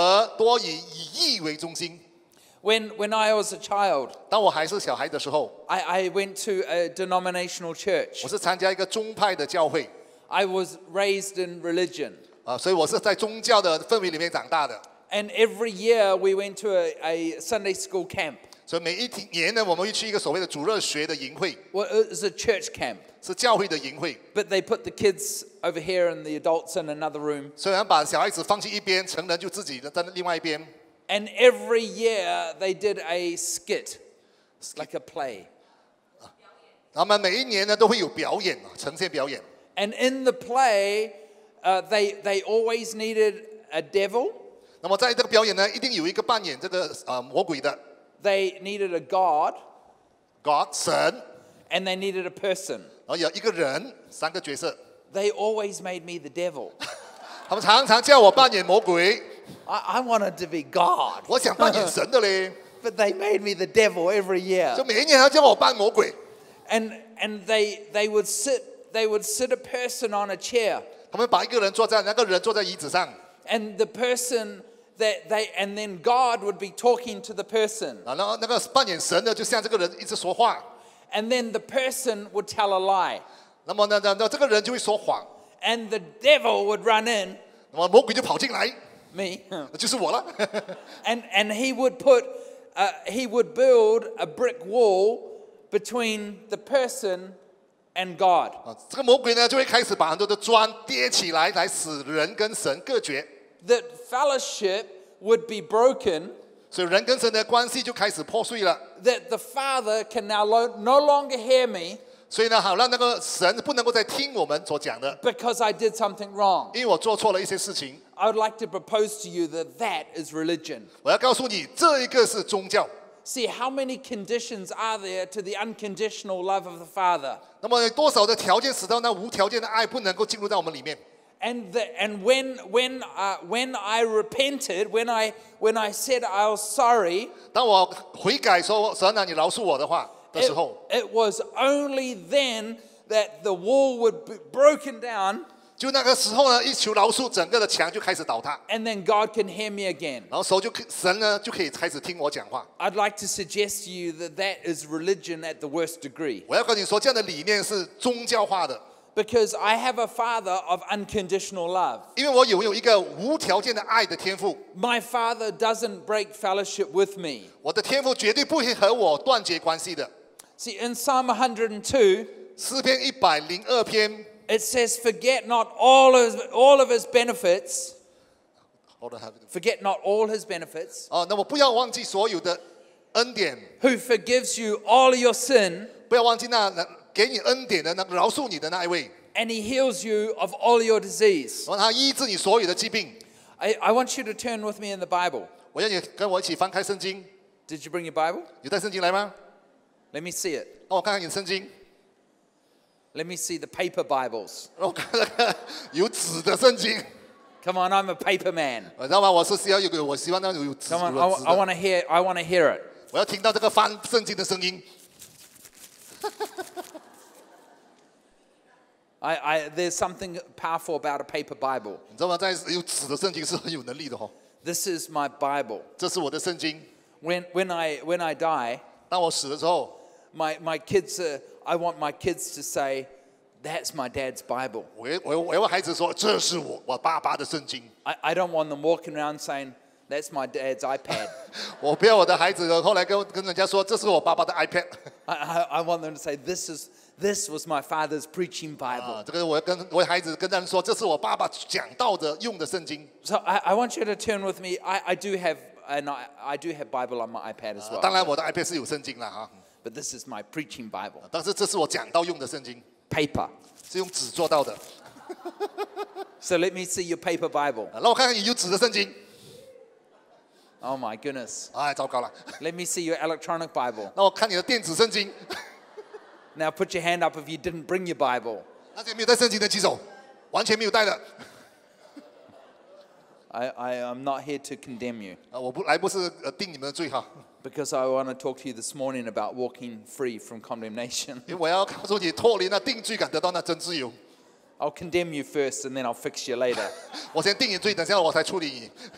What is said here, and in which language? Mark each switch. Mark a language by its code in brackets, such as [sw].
[zh] 结果呢，导致我们呢是以罪为中心，而多以义为中心。 [en] When I was a child, [zh] 当我还是小孩的时候, [en] I went to a denominational church. [zh] 我是参加一个宗派的教会。 [en] I was raised in religion. [zh] 所以我是在宗教的氛围里面长大的。 [en] And every year we went to a Sunday school camp. [zh] 所以每一年呢，我们会去一个所谓的主日学的营会。 [en] Well, it was a church camp. [zh] 是教会的营会。 [en] But they put the kids over here and the adults in another room. [zh] 虽然把小孩子放进一边，成人就自己在另外一边。 [en] And every year they did a skit, like a play. [zh] 他们每一年呢都会有表演，呈现表演。 [en] And in the play, they always needed a devil. [zh] 那么在这个表演呢，一定有一个扮演这个魔鬼的。 [en] They needed a god. [zh] God, 神。 [en] And they needed a person. [zh] 然后有一个人，三个角色。 [en] They always made me the devil. [zh] 他们常常叫我扮演魔鬼。 [en] I wanted to be God. [zh] 我想扮演神的咧。 [en] But they made me the devil every year. [zh] 就每一年他叫我扮魔鬼。 [en] And they would sit a person on a chair. [zh] 他们把一个人坐在那个人坐在椅子上。 [en] And the person that they and then God would be talking to the person. [zh] 然后那个扮演神的就向这个人一直说话。 [en] And then the person would tell a lie. [zh] 那么那这个人就会说谎。 [en] And the devil would run in. [zh] 那么魔鬼就跑进来。 [en] Me. [zh] 就是我了。 [en] and he would put,he would build a brick wall between the person and God. [zh] 这个魔鬼呢，就会开始把很多的砖叠起来，来使人跟神隔绝。 [en] That fellowship would be broken. [zh] 所以人跟神的关系就开始破碎了。 [en] That the Father can now no longer hear me. [zh] 所以呢，好让那个神不能够再听我们所讲的。 [en] Because I did something wrong. [zh] 因为我做错了一些事情。 [en] I would like to propose to you that that is religion. [zh] 我要告诉你，这一个是宗教。 [en] See how many conditions are there to the unconditional love of the Father? [zh] 那么多少的条件使到那无条件的爱不能够进入到我们里面？ [en] And when I repented, when I said I was sorry, [zh] 当我悔改说神啊，你饶恕我的话的时候 [en] ，It was only then that the wall would be broken down. [zh] 就那个时候呢，一求饶恕，整个的墙就开始倒塌。 [en] And then God can hear me again. [zh] 然后时候就神呢就可以开始听我讲话。 [en] I'd like to suggest to you that that is religion at the worst degree. [zh] 我要跟你说，这样的理念是宗教化的。 [en] Because I have a father of unconditional love. [zh] 因为我拥有一个无条件的爱的天父。 [en] My father doesn't break fellowship with me. [zh] 我的天父绝对不会和我断绝关系的。 [en] See in Psalm 102. [zh] 诗篇一百零二篇。 [en] It says, "Forget not all of his benefits." Forget not all his benefits. [zh] 哦，那我不要忘记所有的恩典。 [en] Who forgives you all your sin? [zh] 不要忘记那给你恩典的那饶恕你的那一位。 [en] And he heals you of all your disease. [zh] 然后他医治你所有的疾病。 [en] I want you to turn with me in the Bible. [zh] 我要你跟我一起翻开圣经。 [en] Did you bring your Bible? [zh] 有带圣经来吗 [en] ？Let me see it. [zh] 让我看看你的圣经。 [en] Let me see the paper Bibles. [zh] 有纸的圣经。 [en] Come on, I'm a paper man. [zh] 你知道吗？我是需要有，我希望那有纸的。 [en] Come on, I want to hear. I want to hear it. [zh] 我要听到这个翻圣经的声音。 [en] I there's something powerful about a paper Bible. [zh] 你知道吗？在有纸的圣经是很有能力的哦。 [en] This is my Bible. [zh] 这是我的圣经。 [en] When I die. [zh] 当我死的时候。 [en] My kids are. I want my kids to say, "That's my dad's Bible." [zh] 我要孩子说这是我爸爸的圣经。 [en] I don't want them walking around saying, "That's my dad's iPad." [zh] 我不要我的孩子后来跟人家说这是我爸爸的 iPad。 [en] I want them to say, "This was my father's preaching Bible." [zh] 这个我孩子跟他们说这是我爸爸讲道的用的圣经。 [en] So I want you to turn with me. I do have Bible on my iPad as well. [zh] 当然我的 iPad 是有圣经了哈。 [en] But this is my preaching Bible. [zh] 但是这是我讲道用的圣经。 [en] Paper [zh] 是用纸做到的。 [en] So let me see your paper Bible. [zh] 让我看看你有纸的圣经。 [en] Oh my goodness. [zh] 哎，糟糕了。 [en] Let me see your electronic Bible. [zh] 让我看你的电子圣经。 [en] Now put your hand up if you didn't bring your Bible. [zh] 那些没有带圣经的举手，完全没有带的。 [en] I am not here to condemn you. [zh] 我不来不是定你们的罪哈。 [en] Because I want to talk to you this morning about walking free from condemnation. [zh] 我要告诉你，脱离那定罪感，得到那真自由。 [en] I'll condemn you first, and then I'll fix you later. [zh] 我先定你罪，等下我才处理你。